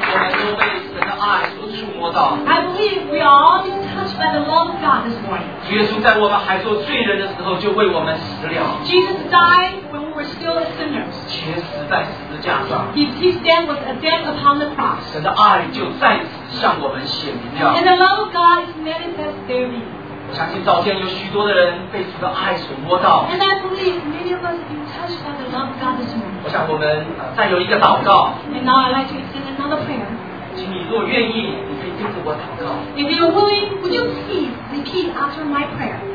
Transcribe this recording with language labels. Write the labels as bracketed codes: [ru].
[en] I believe we are all just touched by the love of God this morning. [zh] 耶稣在我们还做罪人的时候就为我们死了。 [en] Jesus died when we were still sinners. [zh] 钱死在十字架上。 [en] He stand with a death upon the cross. [zh] 神的爱就再次向我们显明了。 [en] And the love of God is manifest daily. [zh] 我相信早间有许多的人被主的爱所摸到。 [en] And I believe many of us have been touched by the love of God this morning. [zh] 我想我们再有一个祷告。 [en] And now I'd like to extend another prayer. [zh] 请你若愿意, [en] If you're willing, would you please repeat after my prayer?